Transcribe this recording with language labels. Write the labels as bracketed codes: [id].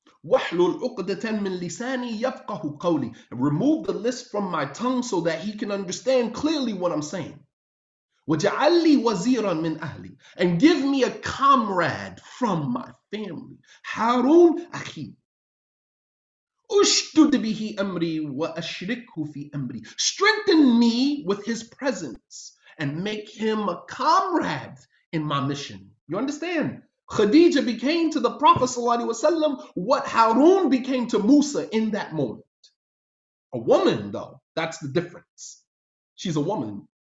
[ar] وَحْلُلْ عُقْدَةً مِنْ لِسَانِي يَفْقَهُ قَوْلِي. [en] Remove the list from my tongue so that he can understand clearly what I'm saying. [ar] وَجَعَلِّي وَزِيرًا مِنْ أَهْلِي. [en] And give me a comrade from my family. [ar] هارون أخي. أُشْدُدْ بِهِ أَمْرِي وَأَشْرِكْهُ فِي أَمْرِي. [en] Strengthen me with his presence and make him a comrade in my mission. You understand? Khadija became to the Prophet ﷺ what Harun became to Musa in that moment. A woman, though, that's the difference. She's a woman.